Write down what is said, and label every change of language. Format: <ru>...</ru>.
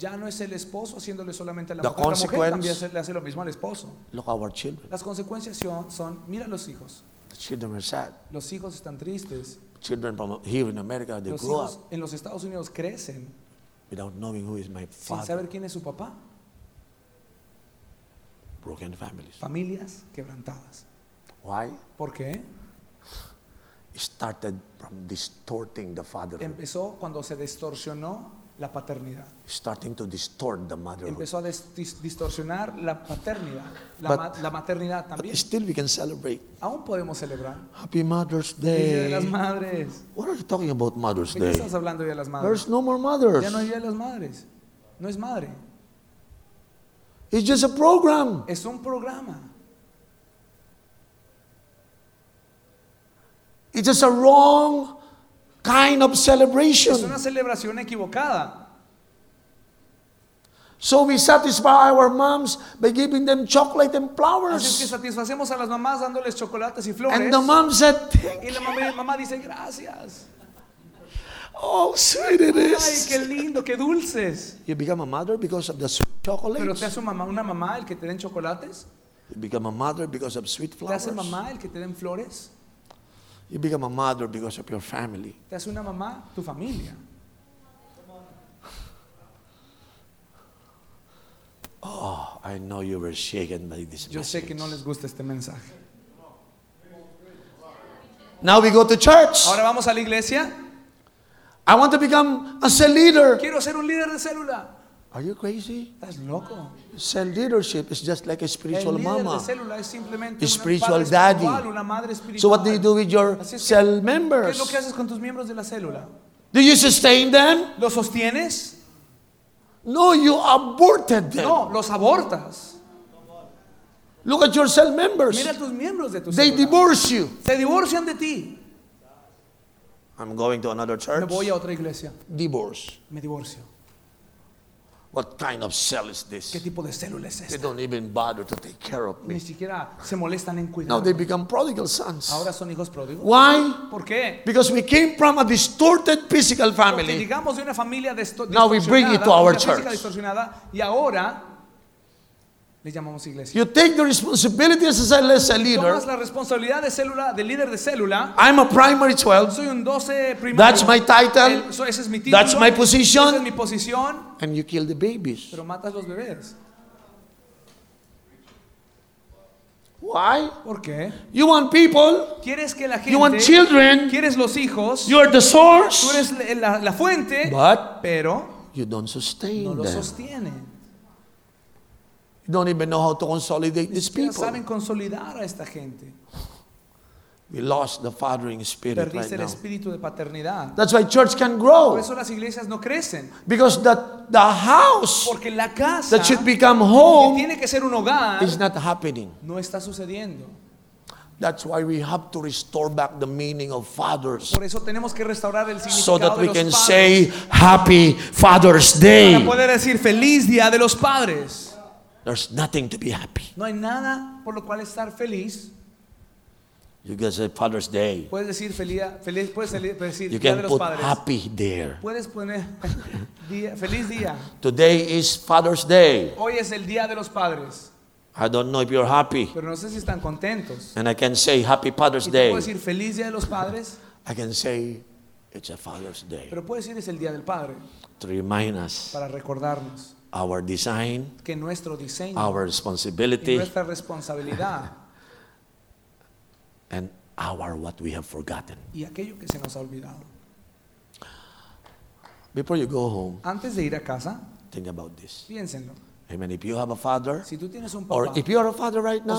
<es>Ya no es el esposo haciéndole solamente a la</es> <en>the</en> <es>mujer.</es> <en>Consequence,</en> <es>la mujer también le hace lo mismo al esposo.</es> <en>Look at our children.</en> <es>Las consecuencias son, mira los hijos.</es> <en>The children are sad.</en> <es>Los hijos están tristes.</es> <en>Children from here in America, they</en> <es>los</es> <en>grow up.</en> <es>En los Estados Unidos crecen.</es> <en>Without knowing who is my father.</en> <es>Sin saber quién es su papá.</es> <en>Broken families.</en> <es>Familias quebrantadas.</es> <en>Why?</en> <es>¿Por qué?</es> <en>It started from distorting the fatherhood.</en> <es>Empezó cuando se distorsionó la paternidad.</es> <en>Starting to distort the motherhood.</en> <es>Empezó a distorsionar la paternidad. La maternidad también.</es> <en>But still we can celebrate.</en> <es>Aún podemos celebrar.</es> <en>Happy Mother's Day.</en> <es>Día de las madres.</es> <en>What are you talking about Mother's Day?</en> <es>¿De qué estás hablando ya de las madres?</es> <en>There's no more mothers.</en> <es>Ya no hay día de las madres. No es madre.</es> <en>It's just a program.</en> <es>Es un programa.</es> <en>It's just a wrong kind of celebration.</en> <es>Es una celebración equivocada.</es> <en>So we satisfy our moms by giving them chocolate and flowers.</en> <es>Así es que satisfacemos a las mamás dándoles chocolates y flores.</es> <en>And the mom said,</en> <es>y la mamá dice gracias.</es> <en>Oh, sweet it is.</en> <es>Ay, qué lindo, qué dulces.</es> <en>You become a mother because of the sweet chocolates.</en> <es>Pero te hace mamá una mamá el que te den chocolates.</es> <en>You become a mother because of sweet flowers.</en> <es>Te hace mamá el que te den flores.</es> <en>You become a mother because of your family.</en> <es>Te hace una mamá tu familia.</es> <en>Oh, I know you were shaken by this message.</en> <es>Yo sé que no les gusta este mensaje.</es> <en>Now we go to church.</en> <es>Ahora vamos a la iglesia.</es> <en>I want to become a cell leader.</en> <es>Quiero ser un líder de célula.</es> <en>Are you crazy? That's loco. Cell leadership is just like a spiritual mama.</en> <es>El líder de célula es</es> <en>a spiritual daddy.</en> <es>Una madre espiritual.</es> <en>So what do you do with your cell members?</en> <es>¿Qué es lo que haces con tus miembros de la célula?</es> <en>Do you sustain them?</en> <es>¿Los sostienes?</es> <en>No, you aborted them.</en> <es>No, los abortas.</es> <en>Look at your cell members.</en> <es>Mira a tus miembros de tu</es> <en>They</en> <es>célula.</es> <en>Divorce you.</en> <es>Se divorcian de ti.</es> <en>I'm going to another church.</en> <es>Me voy a otra iglesia.</es> <en>Divorce.</en> <es>Me divorcio.</es> <en>What kind of cell is this?</en> <es>¿Qué tipo de célula es esta?</es> <en>They don't even bother to take care of me.</en> <es>Ni siquiera se molestan en cuidarme.</es> <en>Now they become prodigal sons.</en> <es>Ahora son hijos pródigos.</es> <en>Why?</en> <es>¿Por qué?</es> <en>Because we came from a distorted physical family.</en> <es>Porque llegamos de una familia distorsionada.</es> <en>Now we bring it to our church.</en> <es>Y ahora le llamamos iglesia.</es> <en>You take the responsibility as a cell leader.</en> <es>Tomas la responsabilidad de célula, de líder de célula.</es> <en>I'm a primary 12.</en> <es>Soy un 12 primario.</es> <en>That's my title.</en> <es>Ese es mi título.</es> <en>That's my position.</en> <es>Esa es mi posición.</es> <en>And you kill the babies.</en> <es>Pero matas los bebés.</es> <en>Why?</en> <es>¿Por qué?</es> <en>You want people.</en> <es>¿Quieres que la gente?</es> <en>You want children.</en> <es>¿Quieres los hijos?</es> <en>You are the source.</en> <es>Tú eres la fuente.</es> <en>But</en> <es>pero</es> <en>you don't sustain</en> <es>no lo</es> <en>them.</en> <es>Sostiene.</es> <en>Don't even know how to consolidate these people.</en> <es>Saben consolidar a esta gente.</es> <en>We lost the fathering spirit</en> <es>Perdiste el</es> <en>now.</en> <es>Espíritu de paternidad.</es> <en>That's why church can grow.</en> <es>Por eso las iglesias no crecen.</es> <en>Because the house</en> <es>Porque la casa</es> <en>that should become home</en> <es>que tiene que ser un hogar</es> <en>is not happening.</en> <es>No está sucediendo.</es> <en>That's why we have to restore back the meaning of fathers.</en> <es>Por eso tenemos que restaurar el significado</es> <en>so that</en> <es>de</es> <en>we</en> <es>los</es> <en>can</en> <es>padres.</es> <en>Say Happy Father's Day.</en> <es>Para poder decir Feliz Día de los Padres.</es> <en>There's nothing to be happy.</en> <es>No hay nada por lo cual estar feliz.</es> <en>You can say Father's Day.</en> <es>Puedes decir feliz, puedes decir</es> <en>You can</en> <es>de los</es> <en>put</en> <es>padres.</es> <en>Happy there.</en> <es>Puedes poner día, feliz día.</es> <en>Today is Father's Day.</en> <es>Hoy es el día de los padres.</es> <en>I don't know if you're happy.</en> <es>Pero no sé si están contentos.</es> <en>And I can say Happy Father's Day.</en> <es>Puedo decir feliz día de los padres.</es> <en>I can say it's a Father's Day.</en> <es>Pero puedes decir es el día del padre.</es> <en>To remind us.</en> <es>Para recordarnos.</es> <en>Our design,</en> <es>que nuestro diseño,</es> <en>our responsibility,</en> <es>y nuestra responsabilidad,</es> <en>and our what we have forgotten.</en> <es>Y aquello que se nos ha olvidado.</es> <en>Before you go home,</en> <es>antes de ir a casa,</es> <en>think about this.</en> <es>Piénsenlo.</es> <en>Amen. If you have a father,</en> <es>si tú tienes un papá,</es> <en>or if you are a father right now,</en>